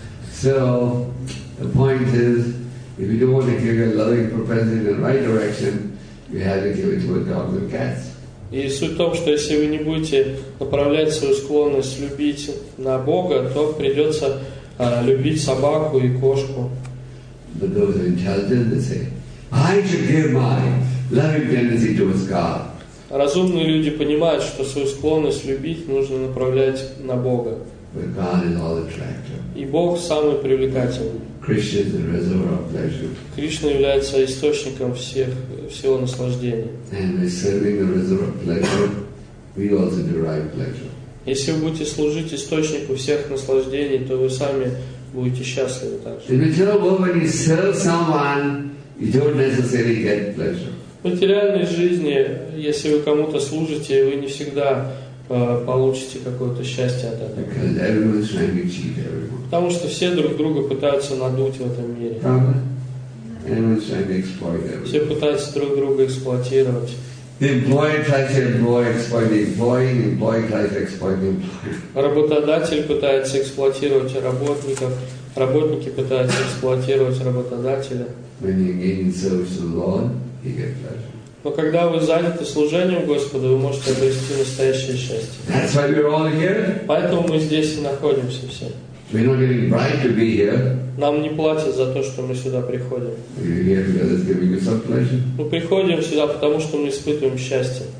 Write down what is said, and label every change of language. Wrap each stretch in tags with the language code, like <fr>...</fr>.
<en>So the point is, if you don't want to give your loving propensity in the right direction, you have to give it to a dog or cat.</en> <ru>И суть в том, что если вы не будете направлять свою склонность любить на Бога, то придется любить собаку и кошку.</ru> <en>But those who are intelligent, they say, I should give my loving tendency towards God.</en> <ru>Разумные люди понимают, что свою склонность любить нужно направлять на Бога.</ru> <en>But God is all attractive.</en> <ru>И Бог самый привлекательный.</ru> <en>Krishna is the reservoir of pleasure.</en> <ru>Кришна является источником всего наслаждения.</ru> <en>And by serving the reservoir of pleasure, we also derive pleasure.</en> <ru>Если вы будете служить источнику всех наслаждений, то вы сами будете счастливы также.</ru> <en>In material world, when you serve someone, you don't necessarily get pleasure.</en> <ru>В материальной жизни, если вы кому-то служите, вы не всегда получите какое-то счастье от этого.</ru> <en>Because everyone's trying to cheat everyone.</en> <ru>Потому что все друг друга пытаются надуть в этом мире. Правда?</ru> <en>Animals trying to exploit them.</en> <ru>Все пытаются друг друга эксплуатировать.</ru> <en>The employer tries to employ, exploit the employee, the employee tries to exploit the employer.</en> <ru>Работодатель пытается эксплуатировать работников, работники пытаются эксплуатировать работодателя.</ru> <en>When you gain in service to the Lord, you get pleasure.</en> <ru>Но когда вы заняты служением Господу, вы можете обрести настоящее счастье.</ru> <en>That's why we're all here.</en> <ru>Поэтому мы здесь и находимся все.</ru> <en>We're not getting bribed to be here.</en> <ru>Нам не платят за то, что мы сюда приходим. Мы приходим сюда, потому что мы испытываем счастье.</ru>